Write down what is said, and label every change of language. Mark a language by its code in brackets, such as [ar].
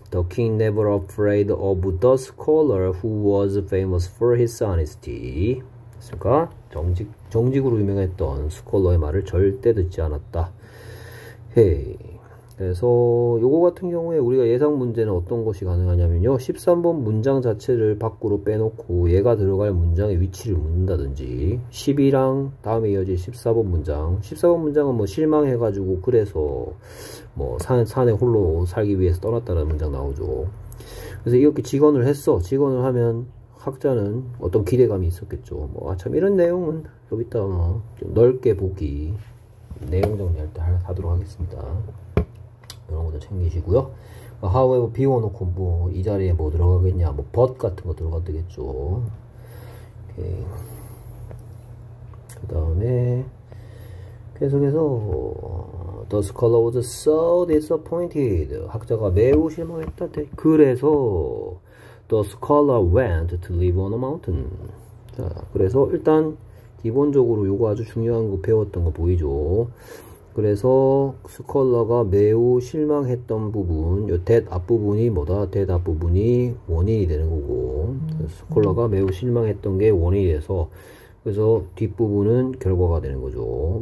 [en] The king never afraid of the scholar who was famous for his honesty. [ko] 됐습니까? 정직으로 유명했던 스콜러의 말을 절대 듣지 않았다. 헤이. 그래서 요거 같은 경우에 우리가 예상 문제는 어떤 것이 가능하냐면요. 13번 문장 자체를 밖으로 빼놓고 얘가 들어갈 문장의 위치를 묻는다든지, 12랑 다음에 이어질 14번 문장. 14번 문장은 뭐 실망해가지고 그래서 뭐 산에 홀로 살기 위해서 떠났다는 문장 나오죠. 그래서 이렇게 직언을 했어. 직언을 하면 학자는 어떤 기대감이 있었겠죠. 뭐, 아, 참, 이런 내용은 좀 이따 뭐좀 넓게 보기. 내용 정리할 때 하도록 하겠습니다. 이런 것도 챙기시고요. however 비워놓고 뭐이 자리에 뭐 들어가겠냐, 뭐 but 같은 거 들어가도 되겠죠. 오케이. [en] 그다음에 계속해서 the scholar was so disappointed. [ko] 학자가 매우 실망했다. [en] 그래서 the scholar went to live on a mountain. [ko] 자, 그래서 일단 기본적으로 요거 아주 중요한 거 배웠던 거 보이죠. 그래서 스컬러가 매우 실망했던 부분, 요 that 앞부분이 뭐다? that 앞부분이 원인이 되는 거고, 스컬러가 매우 실망했던 게 원인이 돼서, 그래서 뒷부분은 결과가 되는 거죠.